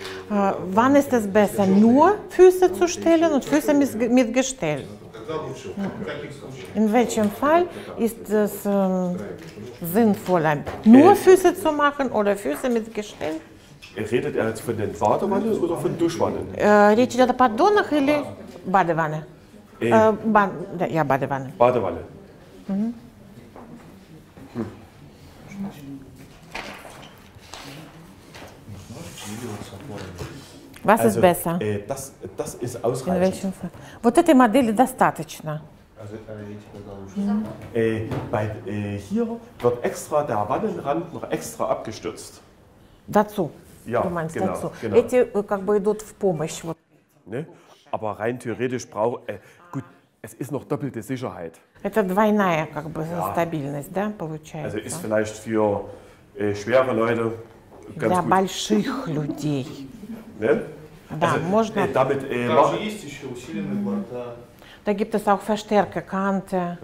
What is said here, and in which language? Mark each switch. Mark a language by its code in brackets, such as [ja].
[de] Wann ist es besser, nur Füße zu stellen und Füße mit Gestell? In welchem Fall ist es sinnvoller, nur Füße zu machen oder Füße mit Gestell? Redet er jetzt von den Badewannen oder von Duschwannen? [ru] Речь идет о поддонах или Badewanne? [de] Ja, Badewanne. Badewanne. Was ist besser? Das ist ausreichend. In welchem Fall? [ru] Вот этой модели достаточно. [de] Hier wird extra der Wannenrand noch extra abgestürzt. Dazu? Ja, du meinst genau, dazu? Genau. [ru] Эти как бы идут в помощь. Вот. [de] Ne? Aber rein theoretisch braucht... gut, es ist noch doppelte Sicherheit. [ru] Это двойная как бы ja. Стабильность, да, получается? [de] Also ist vielleicht für schwere Leute ganz [ru] Для [de] gut. [ru] Больших людей. [de] Ne? [ru] Да, also, можно... [de] Damit, [ru] также есть еще усиленный борт, да. [de] Da gibt es auch Verstärkerkante.